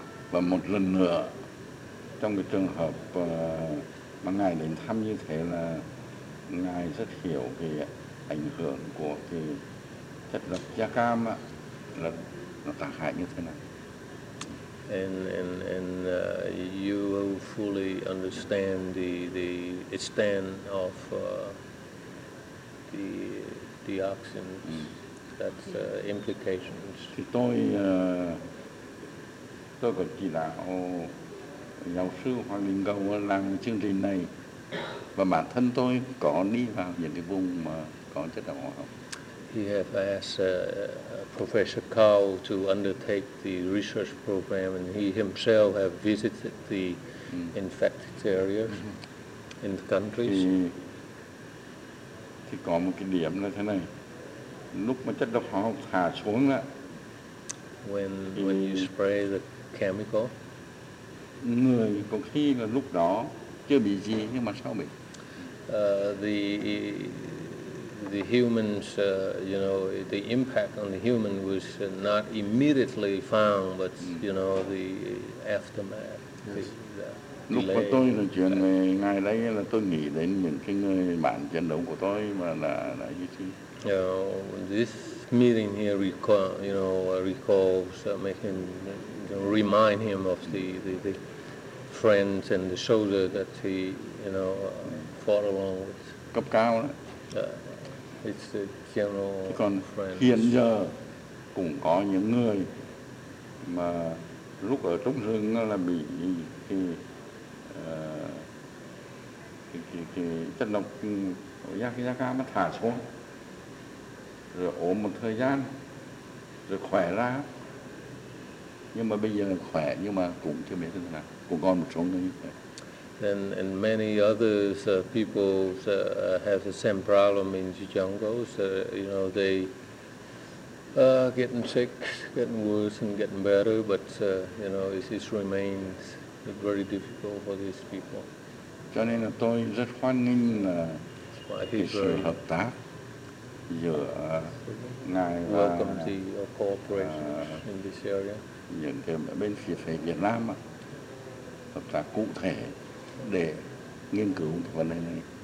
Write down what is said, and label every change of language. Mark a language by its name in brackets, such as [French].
[Vietnamese] Và một lần nữa, trong cái trường hợp mà ngài đến thăm như thế là ngài rất hiểu cái ảnh hưởng của cái chất độc da cam á, là nó tác hại như thế nào. [English] And you will fully understand the extent of the dioxins that's implications. [Vietnamese] Thì tôi tôi có chỉ đạo giáo sư Hoàng Đình Cầu làm chương trình này và bản thân tôi có đi vào những cái vùng mà có chất độc hóa học. [English] He has asked Professor Cao to undertake the research program, and he himself has visited the infected areas in the countries. [Vietnamese] Thì có một cái điểm là thế này. Lúc mà chất độc hóa học thả xuống á, [English] when you spray the chemical, [Vietnamese] người có khi là lúc đó chưa bị gì nhưng mà sau bị. [English] The humans, the impact on the human was not immediately found, but you know the aftermath. [Vietnamese] Lúc mà tôi nói chuyện về ngài đấy là tôi nghĩ đến những cái người bạn chiến đấu của tôi mà là như thế. [English] This meeting here recalls making remind him of the friends and the soldiers that he fought along with. [Vietnamese] Cấp cao đó. [English] It's a general [Vietnamese] còn [English] friends. [Vietnamese] Hiện giờ cũng có những người mà lúc ở trong rừng là bị cái chất độc da cam nó thả xuống rồi ốm một thời gian rồi khỏe ra, nhưng mà bây giờ khỏe nhưng mà cũng chưa biết thế nào, cũng còn một số người như vậy. [English] And many others people have the same problem in the jungles. They getting sick, getting worse and getting better, but it remains very difficult for these people. [Vietnamese] Cho nên là tôi rất hoan nghênh là cái sự hợp tác giữa ngài và [English] welcome the cooperation in this area. [Vietnamese] Những cái bên phía phải Việt Nam hợp tác cụ thể để nghiên cứu vấn đề này.